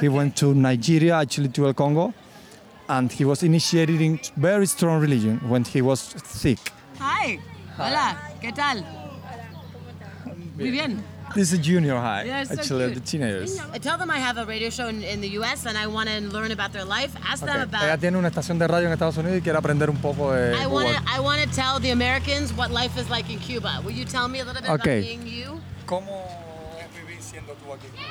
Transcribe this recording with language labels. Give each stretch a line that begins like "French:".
English: He went to Nigeria, actually to El Congo, and he was initiated in very strong religion when he was sick. Hi.
Spanish: Hola. ¿Qué tal? Muy bien.
English: This is junior high. Yeah, so actually, cute. The teenagers. I tell them I have a radio show in the U.S. and I want to learn about their life. Ask them about.
Spanish: Ella tiene una estación de radio en Estados Unidos y quiere aprender un poco de.
English: I want to tell the Americans what life is like in Cuba. Will you tell me a little bit okay. about being you?
Spanish: ¿Cómo vivís siendo tú aquí?